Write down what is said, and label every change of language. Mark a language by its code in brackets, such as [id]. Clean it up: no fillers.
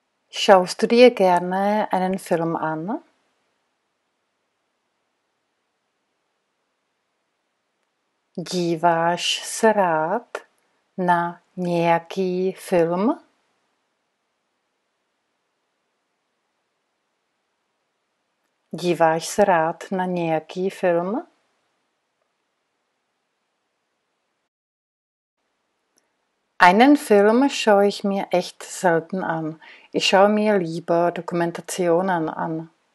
[de] Schaust du dir gerne einen Film an? [cs] Díváš se rád na nějaký film? Díváš se rád na nějaký film? [de] Einen Film schaue ich mir echt selten an. Ich schaue mir lieber Dokumentationen an.